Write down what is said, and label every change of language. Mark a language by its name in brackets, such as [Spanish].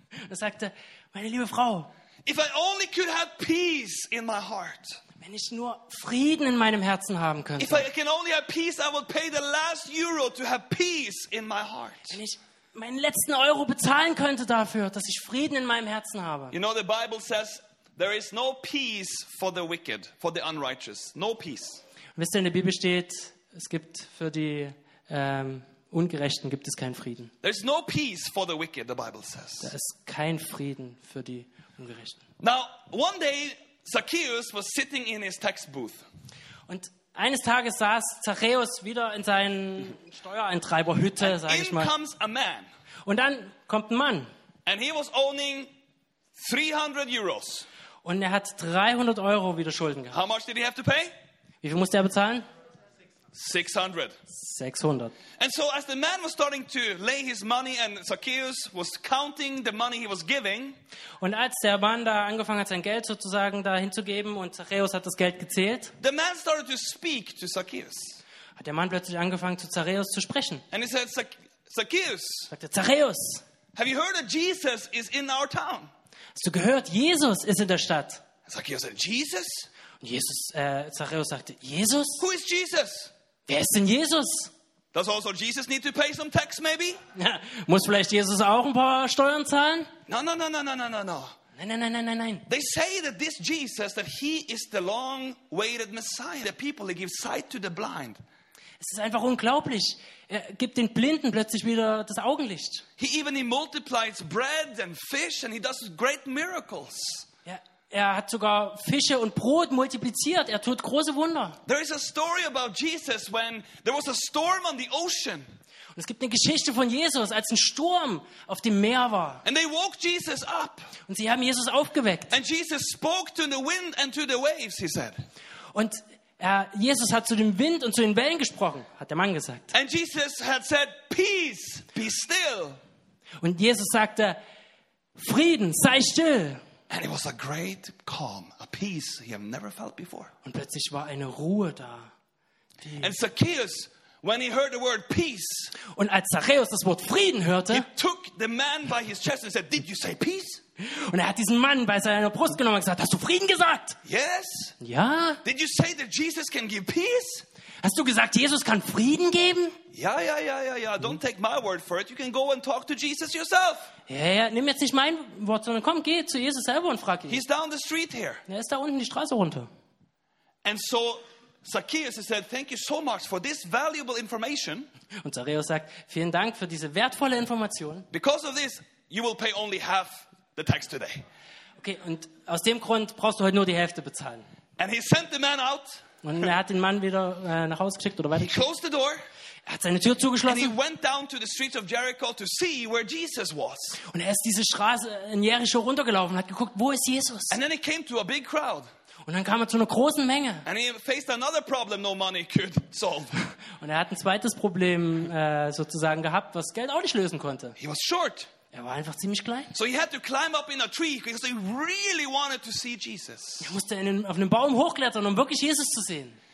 [German] Er sagte, meine liebe Frau. [English] If I only could have peace in my heart. [German] Wenn ich nur Frieden in meinem Herzen haben könnte. [English] If I can only have peace, I would pay the last euro to have peace in my heart. [German] Wenn ich meinen letzten Euro bezahlen könnte dafür, dass ich Frieden in meinem Herzen habe. [English] You know, the Bible says there is no peace for the wicked, for the unrighteous. No peace. [German] Wisst ihr, in der Bibel steht, es gibt für die Ungerechten gibt es keinen Frieden. [English] There is no peace for the wicked, the Bible says. [German] Da ist kein Frieden für die Ungerechten. [English] Now, one day Zacchaeus was sitting in his tax booth. [German] Und eines Tages saß Zacchaeus wieder in seinen Steuereintreiberhütte, sage ich mal. [English] In comes a man. [German] Und dann kommt ein Mann. [English] And he was owning 300 euros. [German] Und er hat 300 Euro wieder Schulden gehabt. [English] How much did he have to pay? [German] Wie viel musste er bezahlen? [English] 600. [German] 600. [English] And so as the man was starting to lay his money and Zacchaeus was counting the money he was giving. [German] Und als der Mann da angefangen hat sein Geld sozusagen dahin zu geben und Zacchaeus hat das Geld gezählt. [English] The man started to speak to Zacchaeus. [German] Hat der Mann plötzlich angefangen zu Zacchaeus zu sprechen. [English] And he said, Zacchaeus. [German] Sagte Zacchaeus. [English] Have you heard that Jesus is in our town? [German] Hast du gehört, Jesus ist in der Stadt? [English] Zacchaeus said, Jesus? [German] Und Jesus, Zacchaeus sagte, Jesus? [English] Who is Jesus? [German] Wer ist denn Jesus? [English] Does also Jesus need to pay some tax maybe? [German] Muss vielleicht Jesus auch ein paar Steuern zahlen? [English] No. [German] Nein. [English] They say that this Jesus, that he is the long-awaited Messiah, the people that give sight to the blind. [German] Es ist einfach unglaublich. Er gibt den Blinden plötzlich wieder das Augenlicht. [English] He even multiplies bread and fish and he does great miracles. [German] Er hat sogar Fische und Brot multipliziert. Er tut große Wunder. [English] There is a story about Jesus when there was a storm on the ocean. [German] Und es gibt eine Geschichte von Jesus, als ein Sturm auf dem Meer war. [English] And they woke Jesus up. [German] Und sie haben Jesus aufgeweckt. [English] And Jesus spoke to the wind and to the waves, he said. [German] Und Jesus hat zu dem Wind und zu den Wellen gesprochen, hat der Mann gesagt. [English] And Jesus had said, "Peace, be still." [German] Und Jesus sagte, Frieden, sei still. [English] And it was a great calm, a peace he had never felt before. [German] Und plötzlich war eine Ruhe da. [English] And Zacchaeus, when he heard the word peace, [German] und als Zacchaeus das Wort Frieden hörte, [English] he took the man by his chest and said, "Did you say peace?" [German] Und hat diesen Mann bei seiner Brust genommen und gesagt, "Hast du Frieden gesagt?" [English] Yes. [German] Ja. [English] Did you say that Jesus can give peace? [German] Hast du gesagt, Jesus kann Frieden geben? Ja. [English] Don't take my word for it. You can go and talk to Jesus yourself. [German] Ja. Nimm jetzt nicht mein Wort, sondern komm, geh zu Jesus selber und frag ihn. [English] He's down the street here. [German] Er ist da unten die Straße runter. [English] And so Zacchaeus said, "Thank you so much for this valuable information." [German] Und Zacchaeus sagt, vielen Dank für diese wertvolle Information. [English] Because of this, you will pay only half the tax today. [German] Okay, und aus dem Grund brauchst du heute nur die Hälfte bezahlen. [English] And he sent the man out. [German] Und er hat den Mann wieder nach Hause geschickt oder weiter. [English] He closed the door. [German] Er hat seine Tür zugeschlossen. [English] And he went down to the streets of Jericho to see where Jesus was. [German] Und er ist diese Straße in Jericho runtergelaufen und hat geguckt, wo ist Jesus? [English] And then he came to a big crowd. [German] Und dann kam er zu einer großen Menge. [English] And he faced another problem no money could solve. [German] Und er hat ein zweites Problem sozusagen gehabt, was Geld auch nicht lösen konnte. [English] He was short. [German] Er war einfach ziemlich klein. [English] So he had to climb up in a tree because he really wanted to see Jesus. [German] Er musste auf einen Baum hochklettern, um wirklich Jesus zu sehen.